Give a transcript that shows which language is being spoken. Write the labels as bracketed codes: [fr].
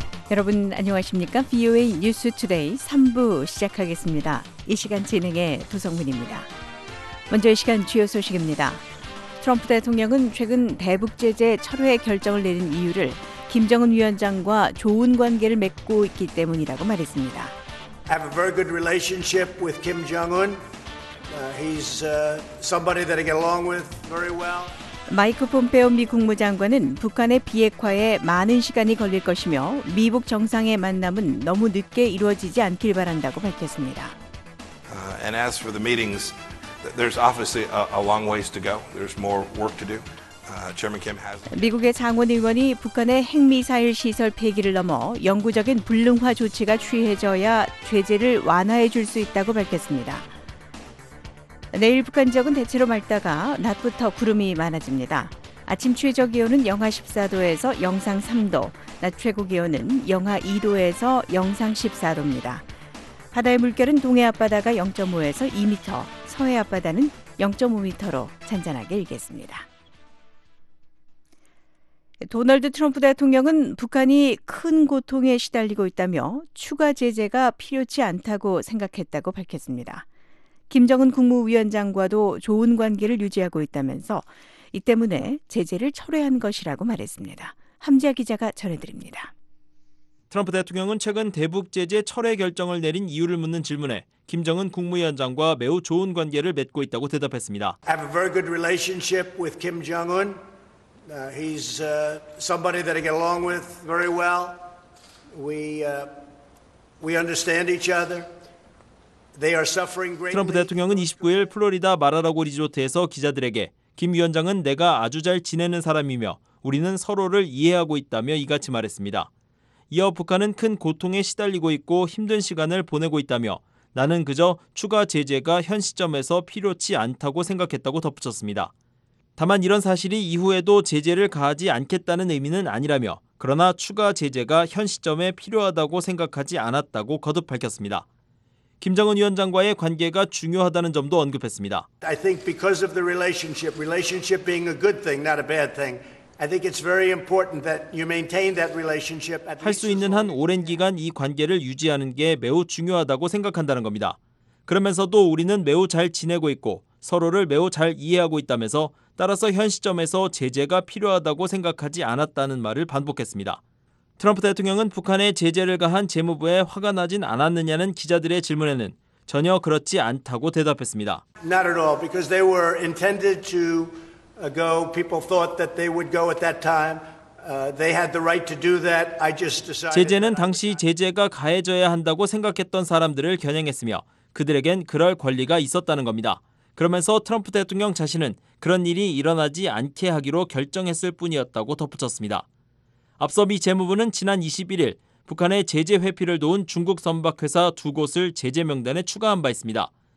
[ko] 여러분 안녕하십니까? VOA News Today 3부 시작하겠습니다. 이 시간 진행의 도성민입니다. 먼저 이 시간 주요 소식입니다. 트럼프 대통령은 최근 대북 제재 철회 결정을 내린 이유를 김정은 위원장과 좋은 관계를 맺고 있기 때문이라고 말했습니다. [en] I have a very good relationship with Kim Jong-un. He's somebody that I get along with very well. [ko] 마이크 폼페오 미 국무장관은 북한의 비핵화에 많은 시간이 걸릴 것이며 미북 정상의 만남은 너무 늦게 이루어지지 않길 바란다고 밝혔습니다. [en] And as for the meetings, there's obviously a long ways to go. There's more work to do. Chairman Kim has. [ko] 미국의 장원 의원이 북한의 핵미사일 시설 폐기를 넘어 영구적인 불능화 조치가 취해져야 제재를 완화해 줄 수 있다고 밝혔습니다. 내일 북한 지역은 대체로 맑다가 낮부터 구름이 많아집니다. 아침 최저 기온은 영하 14도에서 영상 3도, 낮 최고 기온은 영하 2도에서 영상 14도입니다. 바다의 물결은 동해 앞바다가 0.5에서 2m, 서해 앞바다는 0.5m로 잔잔하게 일겠습니다. 도널드 트럼프 대통령은 북한이 큰 고통에 시달리고 있다며 추가 제재가 필요치 않다고 생각했다고 밝혔습니다. 김정은 국무위원장과도 좋은 관계를 유지하고 있다면서 이 때문에 제재를 철회한 것이라고 말했습니다. 함지아 기자가 전해드립니다. 트럼프 대통령은 최근 대북 제재 철회 결정을 내린 이유를 묻는 질문에 김정은 국무위원장과 매우 좋은 관계를 맺고 있다고 대답했습니다. [en] I have a very good relationship with Kim Jong-un. He's somebody that I get along with very well. We understand each other. They are suffering greatly. [ko] 트럼프 대통령은 29일 플로리다 마라라고 리조트에서 기자들에게 김 위원장은 내가 아주 잘 지내는 사람이며 우리는 서로를 이해하고 있다며 이같이 말했습니다. 이어 북한은 큰 고통에 시달리고 있고 힘든 시간을 보내고 있다며 나는 그저 추가 제재가 현 시점에서 필요치 않다고 생각했다고 덧붙였습니다. 다만 이런 사실이 이후에도 제재를 가하지 않겠다는 의미는 아니라며 그러나 추가 제재가 현 시점에 필요하다고 생각하지 않았다고 거듭 밝혔습니다. 김정은 위원장과의 관계가 중요하다는 점도 언급했습니다. [en] I think because of the relationship being a good thing, not a bad thing. I think it's very important that you maintain that relationship. [ko] 할 수 있는 한 오랜 기간 이 관계를 유지하는 게 매우 중요하다고 생각한다는 겁니다. 그러면서도 우리는 매우 잘 지내고 있고 서로를 매우 잘 이해하고 있다면서 따라서 현 시점에서 제재가 필요하다고 생각하지 않았다는 말을 반복했습니다. 트럼프 대통령은 북한의 제재를 가한 재무부에 화가 나진 않았느냐는 기자들의 질문에는 전혀 그렇지 않다고 대답했습니다. [en] Not at all, because they were intended to go. People thought that they would go at that time. They had the right to do that. I just decided. [ko] 제재는 당시 제재가 가해져야 한다고 생각했던 사람들을 겨냥했으며 그들에겐 그럴 권리가 있었다는 겁니다. 그러면서 트럼프 대통령 자신은 그런 일이 일어나지 않게 하기로 결정했을 뿐이었다고 덧붙였습니다. 앞서 미 재무부는 지난 21일 북한의 제재 회피를 도운 중국 선박회사 두 곳을 제재 명단에 추가한 바 있습니다.